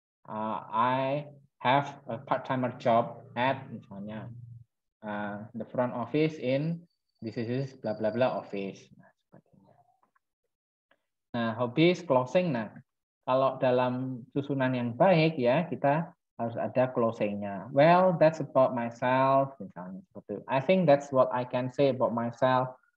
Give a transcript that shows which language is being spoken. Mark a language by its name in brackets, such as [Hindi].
[English] I have a part-timer job at misalnya the front office in this blah blah blah office. Nah, hobbies closing. [Indonesian] Nah, kalau dalam susunan yang baik ya, kita harus ada closing-nya. [English] Well, that's about myself. Misalnya seperti itu. I think that's what I can say about myself.